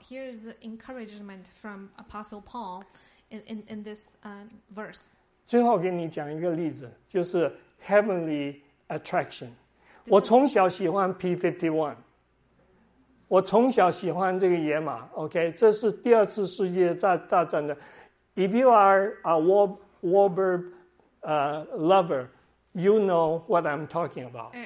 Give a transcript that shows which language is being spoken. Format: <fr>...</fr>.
<en>So here is the encouragement from Apostle Paul in this verse.</en> <zh>最后给你讲一个例子，就是。</zh> <en>Heavenly attraction.</en> <zh>我从小喜欢 P-51. 我从小喜欢这个野马。 OK， 这是第二次世界大战的。</zh> <en>If you are a warbird lover, you know what I'm talking about.</en>